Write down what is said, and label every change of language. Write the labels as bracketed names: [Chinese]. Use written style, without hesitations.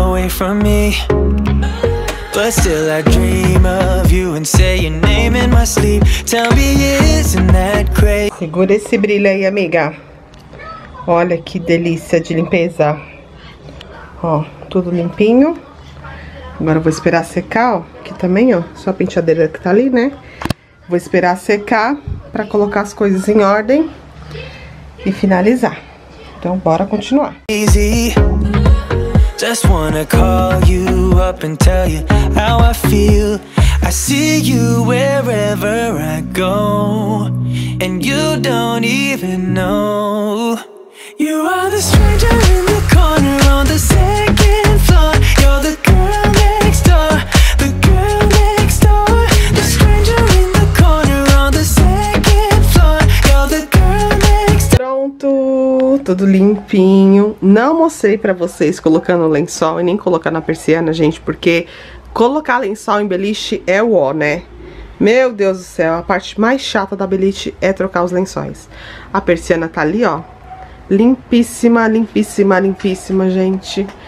[English] From me, but still I dream of you and say your name in my sleep. Tell me, isn't that crazy? [Portuguese] Segura esse brilho aí, amiga. Olha que delícia de limpeza. Ó, tudo limpinho. Agora eu vou esperar secar, ó. Aqui também, ó, só a penteadeira que tá ali, né? Vou esperar secar pra colocar as coisas em ordem e finalizar. Então, bora continuar. [English] Easy. Just wanna call you up and tell you how I feel. I see you wherever I go, and you don't even know. You are the stranger in the corner on the second floor. You're the girl next door. The girl next door. The stranger in the corner on the second floor. You're the girl next door. [Portuguese] Pronto! Tudo limpinho. Não mostrei pra vocês colocando lençol e nem colocar na persiana, gente, porque colocar lençol em beliche é o ó, né? Meu Deus do céu, a parte mais chata da beliche é trocar os lençóis. A persiana tá ali, ó, limpíssima, limpíssima, limpíssima, gente.